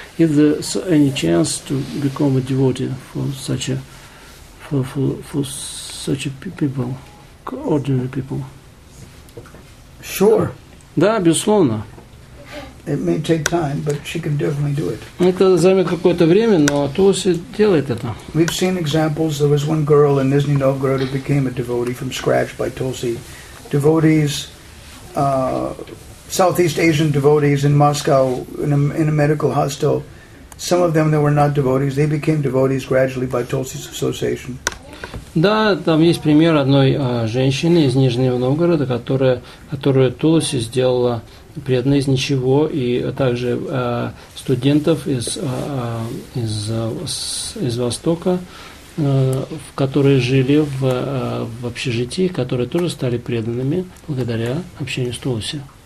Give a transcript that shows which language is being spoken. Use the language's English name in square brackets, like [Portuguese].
[English] Is there any chance to become a devotee for such a people, ordinary people? Sure. [Russian] Да, безусловно. [English] It may take time, but she can definitely do it. [Russian] Это займет какое-то время, но Туласи делает это. [English] We've seen examples. There was one girl in Nizhny Novgorod who became a devotee from scratch by Tulsi. Devotees, Southeast Asian devotees in Moscow, in a medical hostel. Some of them that were not devotees, they became devotees gradually by Tulsi's association. [Russian] Да, там есть пример одной женщины из Нижнего Новгорода, которую Туласи сделала преданной из ничего, и также студентов из Востока, которые жили в общежитии, которые тоже стали преданными благодаря общению с Туласи.